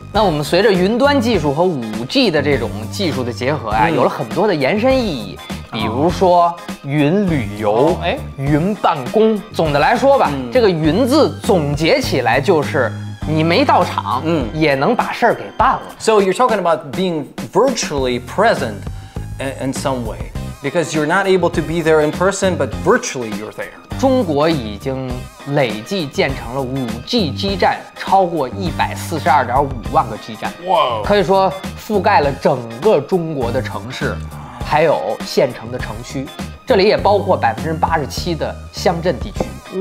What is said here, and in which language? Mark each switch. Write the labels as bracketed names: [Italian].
[Chinese] 那我们随着云端技术和 5G 的这种技术的结合啊，有了很多的延伸意义，比如说云旅游，云办公。总的来说吧，这个云字总结起来就是你没到场，也能把事儿给办了。 [English] So you're talking about being virtually present in some way because you're not able to be there in person but virtually you're there. [Chinese] 中国已经累计建成了 5G 基站超过 142.5 万个基站。 [English] Whoa. [Chinese] 可以说覆盖了整个中国的城市还有县城的城区，这里也包括87%的乡镇地区。